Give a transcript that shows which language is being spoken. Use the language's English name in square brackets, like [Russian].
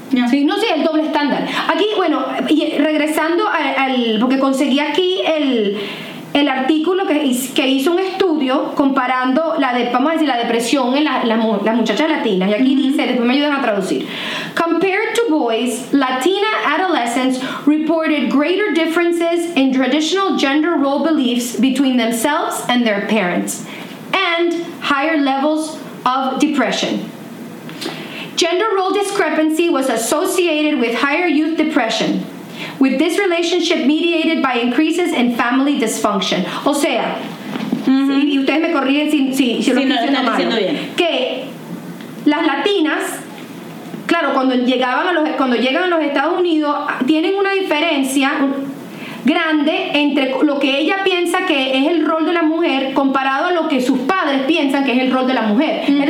[Spanish] Sí, no sé, sí, el doble estándar. Aquí, bueno, y regresando al. Porque conseguí aquí el artículo que hizo un estudio comparando la depresión en las muchachas latinas. Y aquí dice, después me ayudan a traducir. [English] Compared to boys, Latina adolescents reported greater differences in traditional gender role beliefs between themselves and their parents, and higher levels of depression. Gender role discrepancy was associated with higher youth depression, with this relationship mediated by increases in family dysfunction. [Spanish] O sea, ¿sí? Y ustedes me corrigen si lo estoy diciendo bien. Que las latinas, claro, cuando llegan a los Estados Unidos, tienen una diferencia grande entre lo que ella piensa que es el rol de la mujer comparado a lo que sus padres piensan que es el rol de la mujer. Mm-hmm.